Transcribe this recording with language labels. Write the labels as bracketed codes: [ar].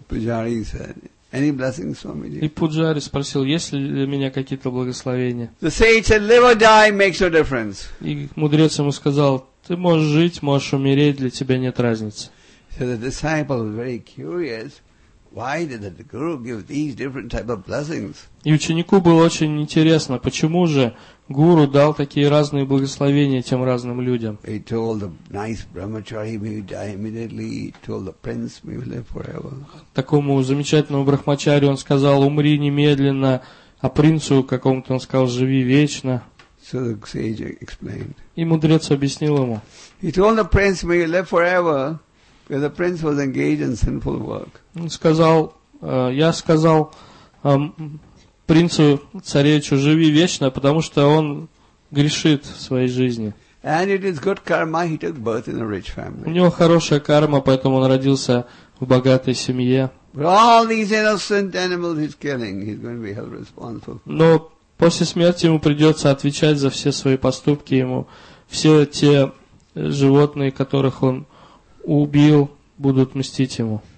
[ru] И пуджари спросил: "Есть ли для меня какие-то благословения?" [en] The sage said, "Live or die makes no difference." [ru] И мудрец ему сказал: "Ты можешь жить, можешь умереть, для тебя нет разницы." [en] So the disciple was very curious. Why did the guru give these different type of blessings? [ru] И ученику было очень интересно, почему же гуру дал такие разные благословения тем разным людям. [en] He told the nice brahmachari, "May you die immediately." He told the prince, "May you live forever." [ru] Такому замечательному брахмачари он сказал: "Умри немедленно", а принцу какому-то он сказал: "Живи вечно." [en] So the sage explained. [ru] И мудрец объяснил ему. [en] He told the prince, "May you live forever." Because the prince was engaged in sinful work. [ru] Он сказал, я сказал принцу, царевичу, живи вечно, потому что он грешит в своей жизни. [en] And it is good karma, he took birth in a rich family. [ru] У него хорошая карма, поэтому он родился в богатой семье. [en] But all these innocent animals he's killing, he's going to be held responsible. [ru] Но после смерти ему придется отвечать за все свои поступки, ему все те животные, которых он убил, будут мстить ему.